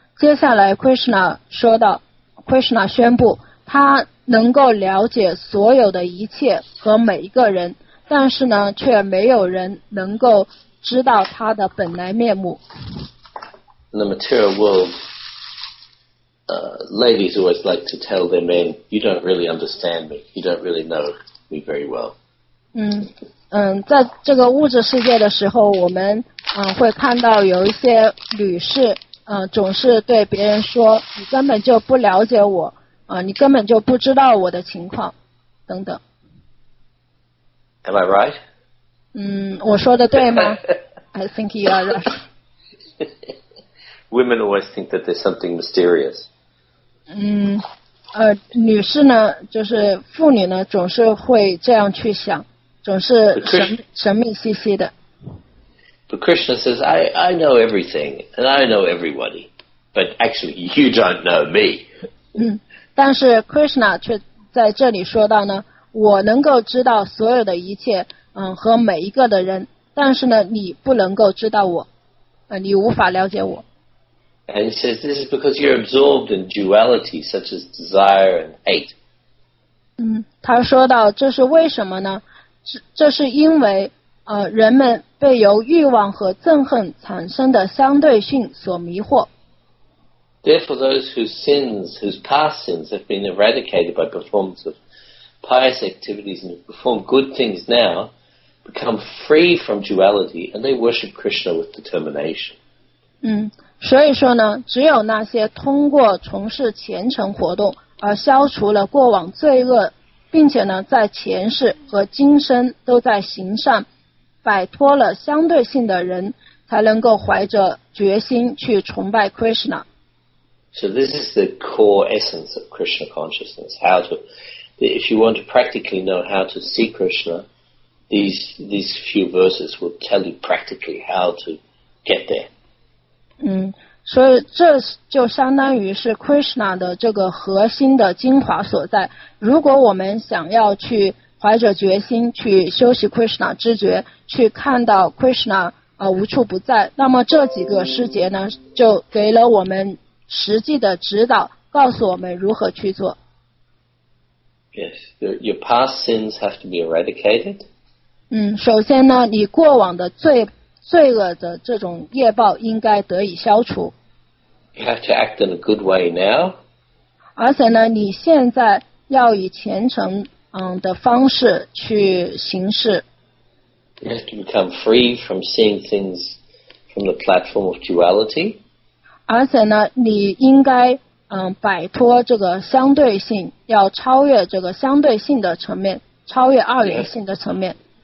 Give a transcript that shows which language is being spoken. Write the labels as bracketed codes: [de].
[zh] 接下来 Krishna 说道， Krishna 宣布，他能够了解所有的一切和每一个人，但是呢，却没有人能够知道他的本来面目。 [en] In the material world, ladies always like to tell their men, you don't really understand me, you don't really know me very well. [zh] 在这个物质世界的时候，我们会看到有一些女士总是对别人说，你根本就不了解我，你根本就不知道我的情况等等。 [en] Am I right? [zh] 我说的对吗？ [en] I think you are right. Women always think that there's something mysterious. [zh] 女士呢，就是妇女呢，总是会这样去想，总是神秘兮兮的。 [en] But Krishna says, I know everything, and I know everybody, but actually you don't know me. [zh] 但是 Krishna 却在这里说到呢，我能够知道所有的一切，和每一个的人，但是呢，你不能够知道我，你无法了解我。 [en] And he says, this is because you're absorbed in duality, such as desire and hate. [zh] 他说到，这是为什么呢？这是因为人们被由欲望和憎恨产生的相对性所迷惑。 [en] Therefore, those whose sins, whose past sins, have been eradicated by performance of pious activities and perform good things now, become free from duality and they worship Krishna with determination. [zh] 所以说呢，只有那些通过从事虔诚活动而消除了过往罪恶，并且呢，在前世和今生都在行善，摆脱了相对性的人，才能够怀着决心去崇拜 Krishna。 [en] So this is the core essence of Krishna consciousness. How to, if you want to practically know how to see Krishna, these few verses will tell you practically how to get there. [zh] 所以这就相当于是 Krishna 的这个核心的精华所在。如果我们想要去怀着决心去修习 Krishna 知觉，去看到 Krishna 无处不在，那么这几个师节呢，就给了我们实际的指导，告诉我们如何去做。 [en] Yes, your past sins have to be eradicated. [zh] 首先呢，你过往的罪恨的这种业报应该得以消除。 [en] You have to act in a good way now. [zh] 而且呢，你现在要以虔诚的方式去行事。 [en] You have to become free from seeing things from the platform of duality. [zh] 而且呢，你应该摆脱这个相对性，要超越这个相对性的层面，超越二元性的层面。